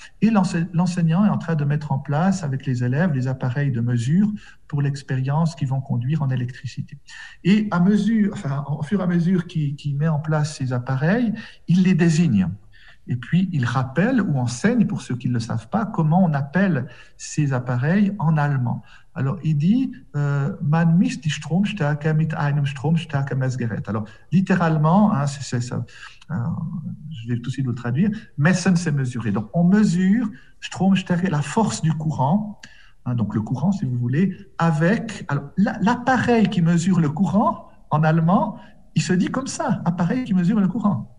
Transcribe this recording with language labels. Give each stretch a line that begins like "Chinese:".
French: Et l'enseignant est en train de mettre en place avec les élèves les appareils de mesure pour l'expérience qu'ils vont conduire en électricité. Et à mesure, enfin, au fur et à mesure qu'il met en place ces appareils, il les désigne. Et puis, il rappelle ou enseigne, pour ceux qui ne le savent pas, comment on appelle ces appareils en allemand. Alors, il dit
German: man misst die Stromstärke mit einem Stromstärke-Messgerät.
French: Alors, littéralement, hein, c'est ça. Je vais tout de suite vous traduire. Messen, c'est mesurer. Donc, on mesure Stromstärke, la force du courant, hein, donc le courant, si vous voulez, avec. Alors, l'appareil qui mesure le courant en allemand, il se dit comme ça, appareil qui mesure le courant.